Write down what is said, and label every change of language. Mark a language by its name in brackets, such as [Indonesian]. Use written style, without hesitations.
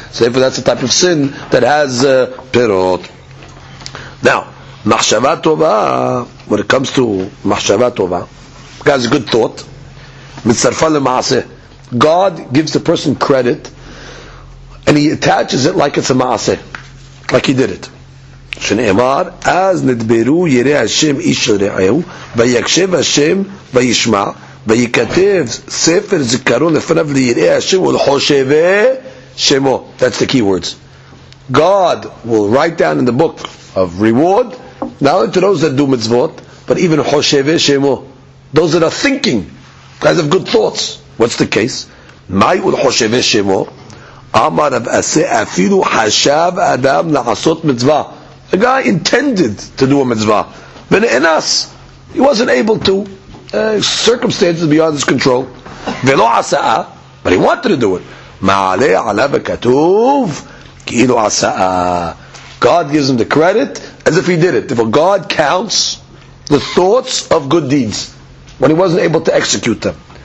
[English] So therefore that's the type of sin that has perot. Now, machshava tova, when it comes to machshava tova, God's a good thought. [Hebrew] Mitzarfa lemaaseh. [English] God gives the person credit and he attaches it like it's a maaseh, like he did it. [Hebrew] שנאמר, אז נדברו ירא השם איש לרעהו, ויקשב השם וישמע, ויכתב ספר זיכרון לפניו לירא השם ולחושבי שמו. [English] That's the key words. God will write down in the book of reward, not only to those that do mitzvot, but even [Hebrew] חושבי שמו. [English] Those that are thinking, guys have good thoughts. What's the case? [Hebrew] מהי ולחושבי שמו? אמר רב עשה אפילו חשב אדם לעשות מצווה. [English] A guy intended to do a mitzvah. But in us, he wasn't able to. Circumstances beyond his control. [Hebrew] Velo asa'a, [English] but he wanted to do it. [Hebrew] Ma'ale alav katuv kilo asa'a. [English] God gives him the credit as if he did it. Therefore, God counts the thoughts of good deeds when he wasn't able to execute them.